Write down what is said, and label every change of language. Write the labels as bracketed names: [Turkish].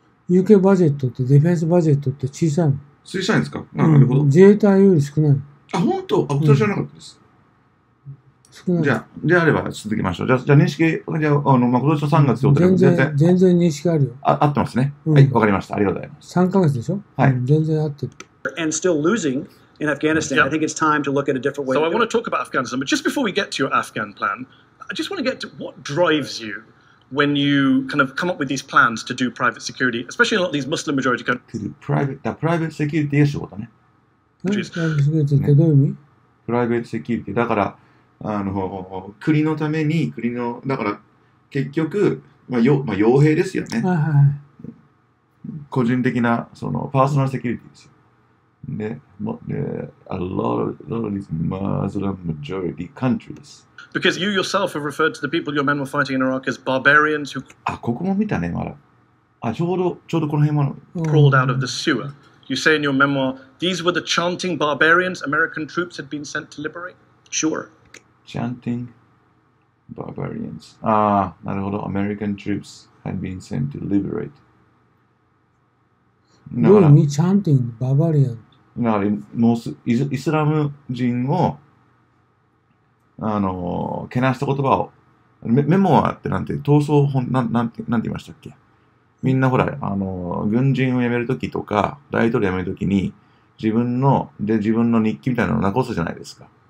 [Japanese] UK バジェットって、ディフェンスバジェットって小さいの。小さいんですか？なるほど、うん。自衛隊より少ないの。あ、本当？あ、私はなかったです。うん、少ない。じゃあれば続きましょう。じゃあ認識、まあ、今年の3月ってことで全然認識あるよ。合ってますね。うん、はい、わかりました。ありがとうございます。 3ヶ月でしょ？はい。全然合ってる。 [English] And still losing in Afghanistan. Yep. I think it's time to look at a different way. So I want to talk about Afghanistan, but just before we get to your Afghan plan, I just want to get to what drives you when you kind of come up with these plans to do private security, especially in a lot of these Muslim majority countries. To do private security issue, what? [Japanese] Private security ってどういう意味？ Private security だから、国のために、国の、だから、結局、まあ、傭兵ですよね。はいはい。個人的な、その、パーソナルセキュリティですよ。 [English] ね、a lot of these Muslim majority countries. Because you yourself have referred to the people your men were fighting in Iraq as barbarians who. [Japanese] あ、ここも見たね、まだ。あ、ちょうどこの辺も。 [English] Crawled out of the sewer. You say in your memoir, these were the chanting barbarians American troops had been sent to liberate? Sure. Chanting barbarians. なるほど。 American troops had been sent to liberate. [Japanese] どういう意味 [English] chanting barbarians? [Japanese] だから、イスラム人を、けなした言葉を、メモアってなんて、闘争本、なんて言いましたっけ？みんなほら、軍人を辞めるときとか、大統領辞めるときに、自分の日記みたいなのを残すじゃないですか。